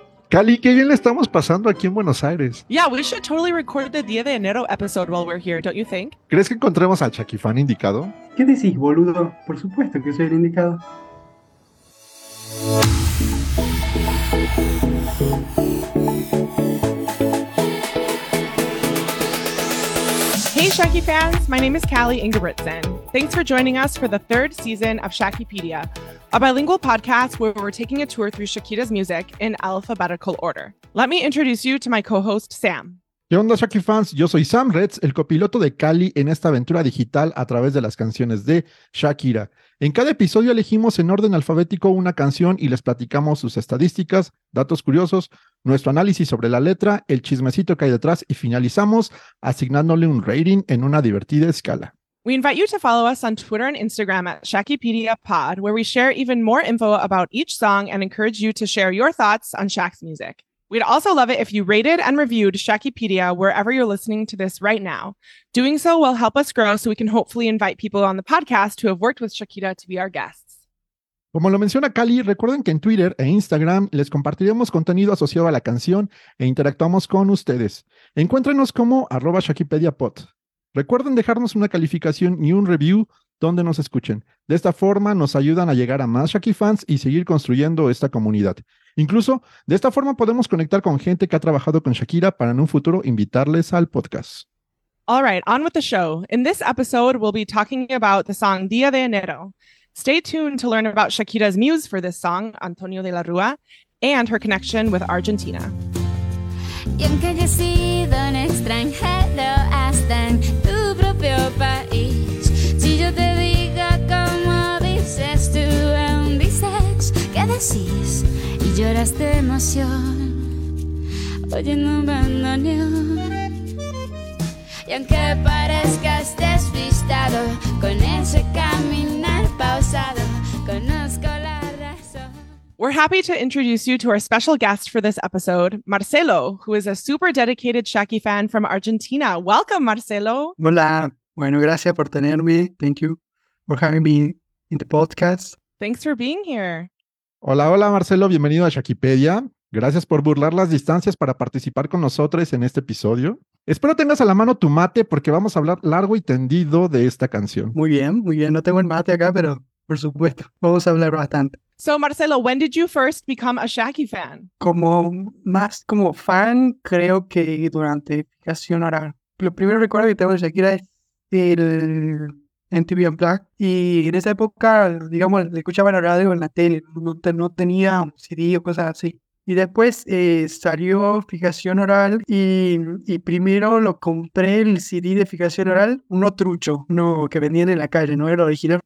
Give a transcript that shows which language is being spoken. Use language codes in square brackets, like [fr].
[es] Cali, qué bien le estamos pasando aquí en Buenos Aires. [en] Yeah, we should totally record the Día de Enero episode while we're here, don't you think? [es] ¿Crees que encontremos al Chaquifán indicado? ¿Qué decís, boludo? Por supuesto que soy el indicado. [en] Hey, Shacky fans, my name is Callie Ingebrigtsen. Thanks for joining us for the third season of Shackypedia, a bilingual podcast where we're taking a tour through Shakira's music in alphabetical order. Let me introduce you to my co-host, Sam. [es] ¿Qué onda, Shacky fans? Yo soy Sam Retz, el copiloto de Callie en esta aventura digital a través de las canciones de Shakira. En cada episodio elegimos en orden alfabético una canción y les platicamos sus estadísticas, datos curiosos, nuestro análisis sobre la letra, el chismecito que hay detrás y finalizamos asignándole un rating en una divertida escala. [en] We invite you to follow us on Twitter and Instagram at Shakypedia Pod, where we share even more info about each song and encourage you to share your thoughts on Shak's music. We'd also love it if you rated and reviewed Shakypedia wherever you're listening to this right now. Doing so will help us grow so we can hopefully invite people on the podcast who have worked with Shakira to be our guests. [es] Como lo menciona Cali, recuerden que en Twitter e Instagram les compartiremos contenido asociado a la canción e interactuamos con ustedes. Encuéntrenos como @ShakypediaPod. Recuerden dejarnos una calificación y un review donde nos escuchen. De esta forma nos ayudan a llegar a más Shaky fans y seguir construyendo esta comunidad. Incluso, de esta forma podemos conectar con gente que ha trabajado con Shakira para en un futuro invitarles al podcast. [en] All right, on with the show. In this episode, we'll be talking about the song Día de Enero. Stay tuned to learn about Shakira's muse for this song, Antonio de la Rúa, and her connection with Argentina. [es] Y aunque haya sido un extranjero hasta en tu propio país, si yo te digo como dices tú, aún dices, ¿qué decís? Y lloras de emoción, oyendo un bandoneón. Y aunque parezcas despistado, con ese caminar pausado, conozco la... [en] We're happy to introduce you to our special guest for this episode, Marcelo, who is a super dedicated Shaky fan from Argentina. Welcome, Marcelo. [es] Hola. Bueno, gracias por tenerme. [en] Thank you for having me in the podcast. Thanks for being here. [es] Hola, hola, Marcelo. Bienvenido a Shakypedia. Gracias por burlar las distancias para participar con nosotros en este episodio. Espero tengas a la mano tu mate porque vamos a hablar largo y tendido de esta canción. Muy bien. No tengo el mate acá, pero por supuesto, vamos a hablar bastante. [en] So, Marcelo, when did you first become a Shaky fan? [es] Como más como fan, creo que durante casi una hora. Lo primero recuerdo que tengo de Shakira es el MTV Unplugged. Y en esa época, digamos, le escuchaba en la radio o en la tele. No tenía CD o cosas así. Y después salió Fijación Oral y primero lo compré el CD de Fijación Oral, uno trucho, uno que vendían en la calle, no era original.